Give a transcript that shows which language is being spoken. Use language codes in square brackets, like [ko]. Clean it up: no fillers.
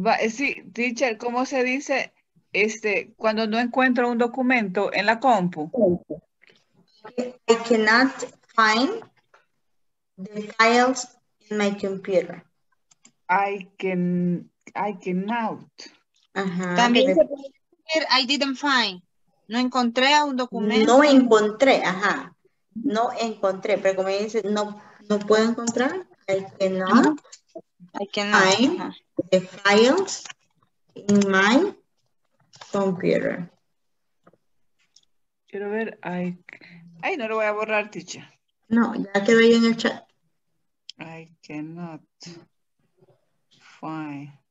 [es] Sí, teacher, ¿cómo se dice cuando no encuentro un documento en la compu? [en] I cannot find the files in my computer. I cannot. [es] También se puede decir, [en] I didn't find. [es] No encontré un documento. No encontré, ajá. No encontré, pero como dice, no puedo encontrar. [en] I cannot find the files in my computer. [es] Quiero ver. Ay, no lo voy a borrar, teacher. No, ya quedó ahí en el chat. [en] I cannot. find.